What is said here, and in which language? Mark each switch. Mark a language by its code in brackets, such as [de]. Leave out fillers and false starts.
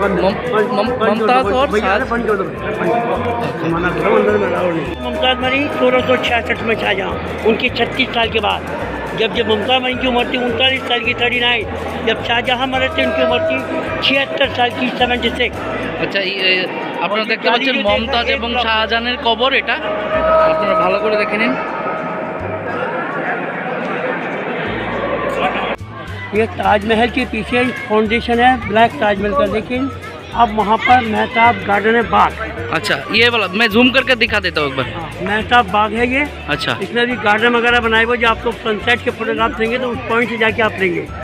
[hi] मुमताज मरी 1666 में शाहजहाँ, उनकी 36 साल के बाद। जब मुमताज मरी की उम्र थी 39 साल की, 39। जब शाहजहाँ मरे थे उनकी उम्र थी 76 साल की, 76। [bn] अच्छा, আপনারা দেখতে পাচ্ছেন মমতাজ এবং শাহজাহানের কবর, এটা আপনারা ভালো করে দেখে নিন। [hi] ये ताजमहल के पीछे फाउंडेशन है ब्लैक ताजमहल का, लेकिन अब वहाँ पर मेहताब गार्डन है बाग। अच्छा, ये वाला मैं जूम करके दिखा देता हूँ एक बार। मेहताब बाग है ये। अच्छा, इसमें भी गार्डन वगैरह बनाए हुए, जो आपको सनसेट के फोटोग्राफ देंगे तो उस पॉइंट से जाके आप लेंगे।